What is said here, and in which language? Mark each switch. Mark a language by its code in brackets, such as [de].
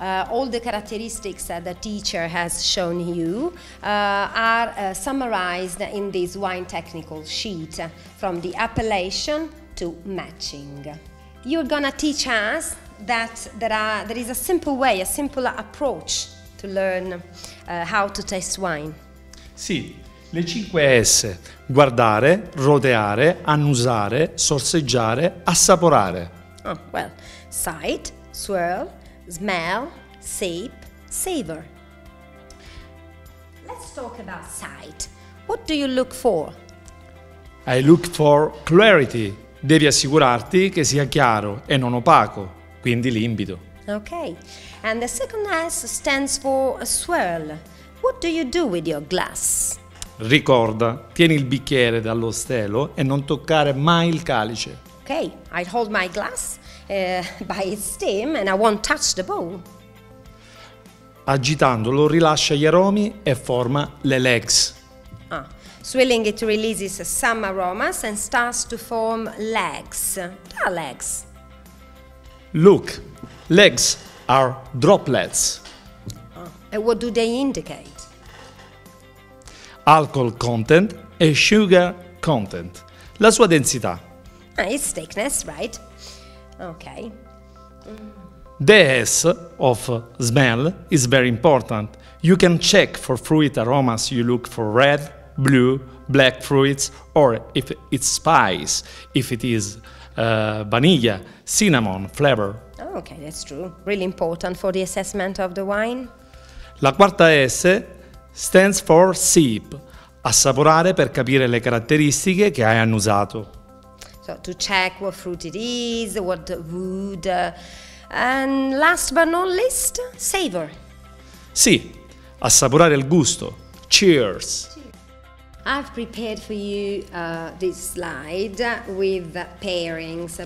[en] All the characteristics that the teacher has shown you are summarized in this wine technical sheet, from the appellation to matching. You're gonna teach us that there is a simple way, a simple approach to learn how to taste wine. [it] Sì, le 5 S: guardare, rodeare, annusare, sorseggiare, assaporare. [en] Oh, well, sight, swirl, smell, sip, savor. Let's talk about sight. What do you look for? I look for clarity. [it] Devi assicurarti che sia chiaro e non opaco, quindi limpido. [en] Okay. And the second S stands for a swirl. What do you do with your glass? [it] Ricorda, tieni il bicchiere dallo stelo e non toccare mai il calice. [en] Okay, I hold my glass by its stem and I won't touch the bowl. [it] Agitandolo rilascia gli aromi e forma le legs. [en] Ah, swirling it releases some aromas and starts to form legs. Ah, legs. Look, legs are droplets. Ah, and what do they indicate? Alcohol content and sugar content. [it] La sua densità. [en] Ah, its thickness, right? Okay. The S of smell is very important. You can check for fruit aromas. You look for red, blue, black fruits, or if it's spice, if it is vanilla, cinnamon, flavor. Okay, that's true. Really important for the assessment of the wine. [it] La quarta [en] S stands for sip. [it] Assaporare per capire le caratteristiche che hai annusato. [en] So, to check what fruit it is, what the wood. And last but not least, savor. [it] Sì, assaporare il gusto. Cheers. [en] I've prepared for you this slide with pairings.